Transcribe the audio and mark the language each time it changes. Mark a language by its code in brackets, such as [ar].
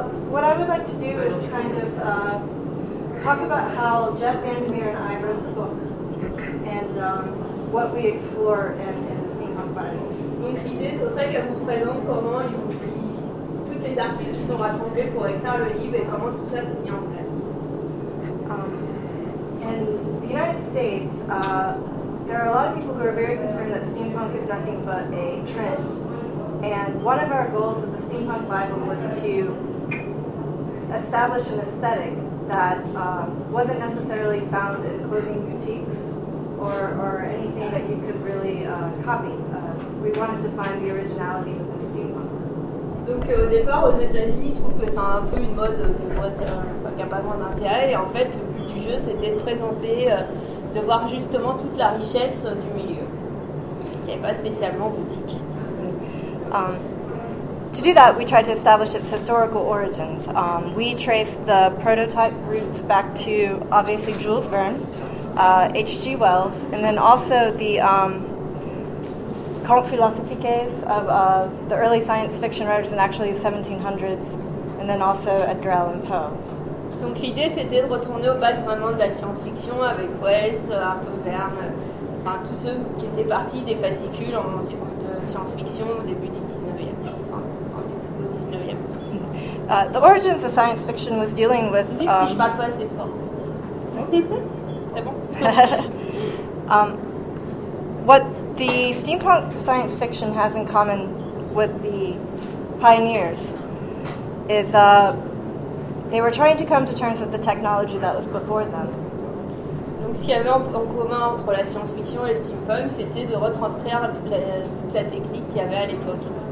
[en] What I would like to do is kind of talk about how Jeff Vandermeer and I wrote the book and what we explore in the Steampunk Bible. [fr] Donc l'idée, ce serait qu'elle vous présente comment ils ont pris toutes les articles qu'ils ont rassemblés pour écrire le livre et comment tout ça s'est mis en place. [en] In the United States, there are a lot of people who are very concerned that steampunk is nothing but a trend. And one of our goals with the Steampunk Bible was to establish an aesthetic that wasn't necessarily found in clothing boutiques or anything that you could really copy. We wanted to find the originality of the steampunk. [fr] Donc au départ aux États-Unis, ils trouvent que c'est un peu une mode de boîte qui n'a pas grand intérêt. Et en fait, le but du jeu, c'était de présenter, de voir justement toute la richesse du milieu, qui n'est pas spécialement boutique. [en] To do that, we tried to establish its historical origins. We traced the prototype roots back to obviously Jules Verne, H.G. Wells, and then also the Conte philosophiques of the early science fiction writers in actually the 1700s, and then also Edgar Allan Poe. [fr] Donc l'idée c'était de retourner aux bases vraiment de la science fiction avec Wells, un peu Verne, enfin tous ceux qui étaient partis des fascicules en science fiction au début du 19e. [en] The origins of science fiction was dealing with. [fr] Si je parle pas assez fort. C'est bon. [en] What the steampunk science fiction has in common with the pioneers is they were trying to come to terms with the technology that was before them. [fr] Donc Donc ce qu'il y avait en commun entre la science-fiction et le steampunk, c'était de retranscrire toute la technique qu'il y avait à l'époque.